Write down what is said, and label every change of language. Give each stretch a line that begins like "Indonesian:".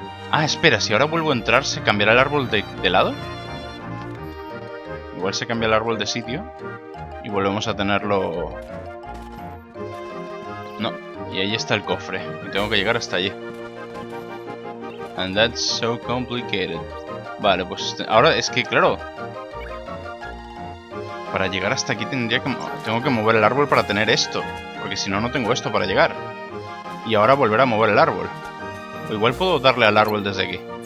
Spanish: Ah, espera, si ahora vuelvo a entrar, ¿se cambiará el árbol de lado? Igual se cambia el árbol de sitio. Y volvemos a tenerlo. No, y ahí está el cofre. Y tengo que llegar hasta allí.
English: And that's so complicated.
Spanish: Vale, pues ahora es que, claro, para llegar hasta aquí tengo que mover el árbol para tener esto. Porque si no tengo esto para llegar. Y ahora volver a mover el árbol. O igual puedo darle al árbol desde aquí.